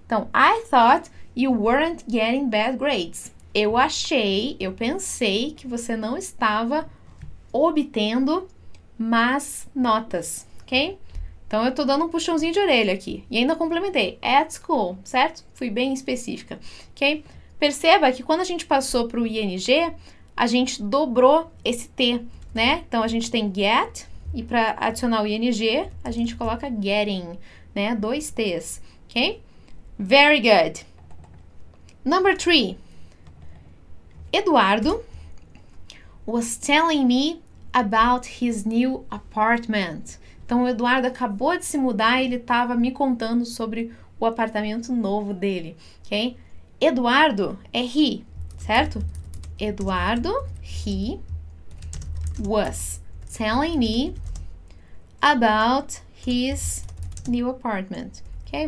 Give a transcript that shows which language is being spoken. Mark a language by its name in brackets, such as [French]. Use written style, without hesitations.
[English] Então, I thought you weren't getting bad grades. [Portuguese] Eu achei, eu pensei que você não estava obtendo más notas, ok? Então, eu estou dando um puxãozinho de orelha aqui. E ainda complementei, [English] at school, [Portuguese] certo? Fui bem específica, ok? Perceba que quando a gente passou para o ING, a gente dobrou esse T, né? Então, a gente tem get e para adicionar o ING, a gente coloca getting, né? Dois T's, ok? [English] Very good. Number three. Eduardo was telling me about his new apartment. [Portuguese] Então, o Eduardo acabou de se mudar e ele estava me contando sobre o apartamento novo dele, ok? Eduardo é he, certo? [English] Eduardo, he was telling me about his new apartment, ok?